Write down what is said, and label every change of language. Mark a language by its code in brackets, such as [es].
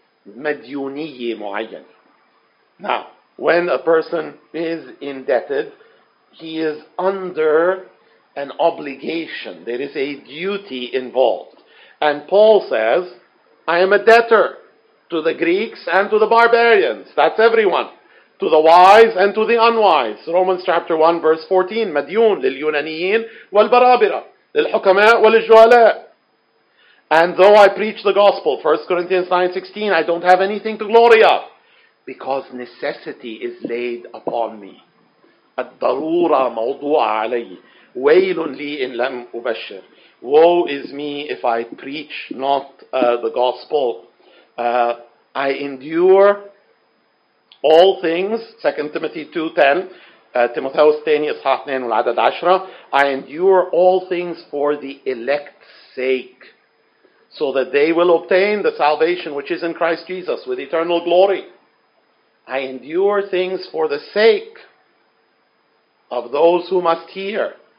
[ar] مَدْيُونِيِّ مُعَيَّنِ. [en] Now, when a person is indebted, he is under an obligation. There is a duty involved. And Paul says, I am a debtor to the Greeks and to the barbarians. That's everyone. To the wise and to the unwise. Romans chapter 1 verse 14. [ar] مديون لليونانيين والبرابرة للحكماء والجهلاء. [en] And though I preach the gospel, 1 Corinthians 9:16, I don't have anything to glory of. Because necessity is laid upon me. [ar] الضرورة موضوعة علي. ويل لي إن لم أبشر. [en] Woe is me if I preach not the gospel. I endure all things. 2 Timothy 2:10. [ar] Timotheus تاني إصحاح 2 والعدد 10. [en] I endure all things for the elect's sake, so that they will obtain the salvation which is in Christ Jesus with eternal glory. I endure things for the sake of those who must hear.